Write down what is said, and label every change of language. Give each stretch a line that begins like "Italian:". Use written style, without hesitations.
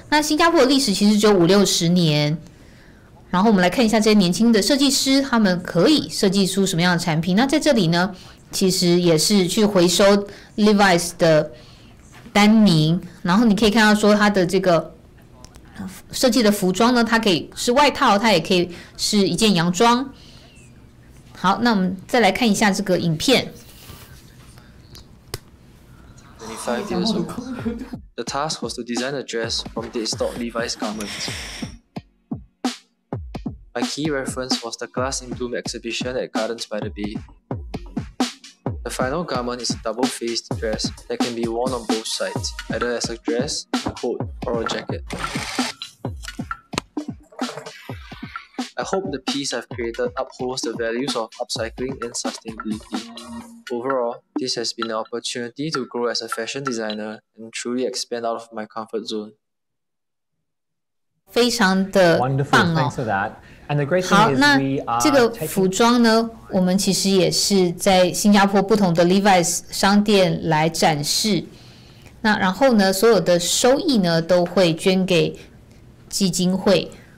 Chinese: 那新加坡的历史其实只有50-60年，然后我们来看一下这些年轻的设计师他们可以设计出什么样的产品。那在这里呢，其实也是去回收 Levi's 的丹宁，然后你可以看到说他的这个设计的服装呢，它可以是外套，它也可以是一件洋装。好，那我们再来看一下这个影片。
English: 25 years old. The task was to design a dress from the historic Levi's garments. My key reference was the Glass in Bloom exhibition at Gardens by the Bay. The final garment is a double-faced dress that can be worn on both sides, either as a dress, a coat, or a jacket. I hope the piece I've created upholds the values of upcycling and sustainability. Overall, this has been an opportunity to grow as a fashion designer and truly expand out of my comfort zone.
Chinese: 非常的棒哦。好，那这个服装呢，我们其实也是在新加坡不同的 Levi's 商店来展示。那然后呢，所有的收益呢都会捐给基金会。